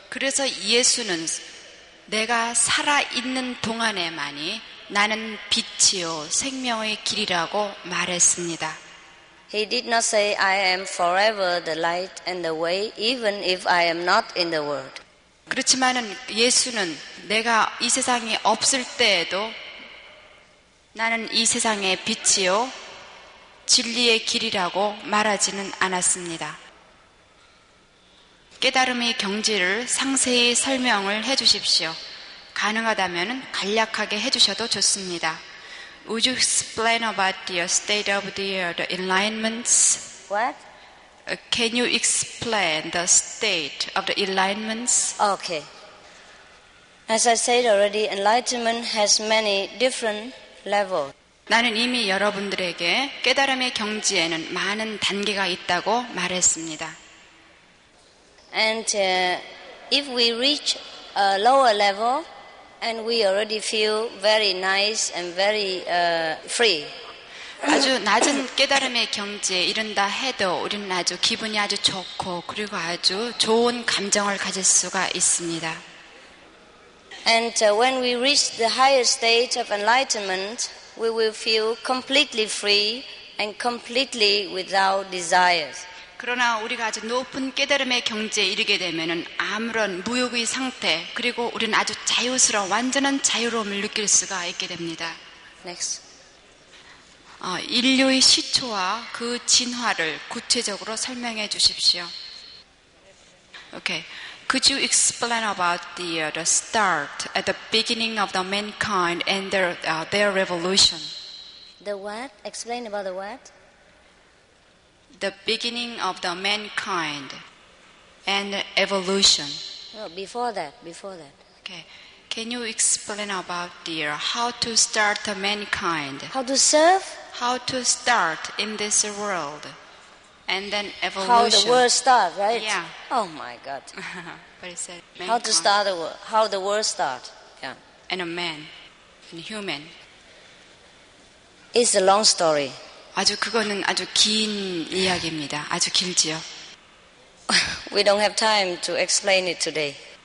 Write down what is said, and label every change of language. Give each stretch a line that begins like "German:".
Korean: 그래서 예수는 내가 살아있는 동안에만이 나는 빛이요 생명의 길이라고 말했습니다.
English: He did not say I am forever the light and the way even if I am not in the world.
Korean: 그렇지만은 예수는 내가 이 세상에 없을 때에도 나는 이 세상의 빛이요 진리의 길이라고 말하지는 않았습니다. 깨달음의 경지를 상세히 설명을 해 주십시오. 가능하다면 간략하게 해주셔도 좋습니다.
English: Would you explain about the state of the enlightenment? What? Can you explain the state of the enlightenment? Okay. As I said already, enlightenment has many different levels.
Korean: 나는 이미 여러분들에게 깨달음의 경지에는 많은 단계가 있다고 말했습니다.
English: And if we reach a lower level, and we already feel very nice and very free.
Korean: 아주 낮은 깨달음의 경지에 이른다 해도 우리는 아주 기분이 아주 좋고 그리고 아주 좋은 감정을 가질 수가 있습니다.
English: And when we reach the higher stage of enlightenment, we will feel completely free and completely without desires.
Korean: 그러나 우리가 아주 높은 깨달음의 경지에 이르게 되면은 아무런 무욕의 상태 그리고 우리는 아주 자유스러워 완전한 자유로움을 느낄 수가 있게 됩니다.
English: Next.
Korean: 인류의 시초와 그 진화를 구체적으로 설명해 주십시오.
English: Okay. Could you explain about the start at the beginning of the mankind and their revolution? The what? Explain about the what? The beginning of the mankind and evolution. Well, before that. Okay. Can you explain about how to start the mankind? How to serve? How to start in this world, and then evolution. How the world start, right? Yeah. Oh my God. But it said mankind. How to start the world? How the world start? Yeah. And a man, and human. It's a long story.
Korean: 아주 그거는 아주 긴 이야기입니다. 아주 길지요.
English: We don't have time to explain it today.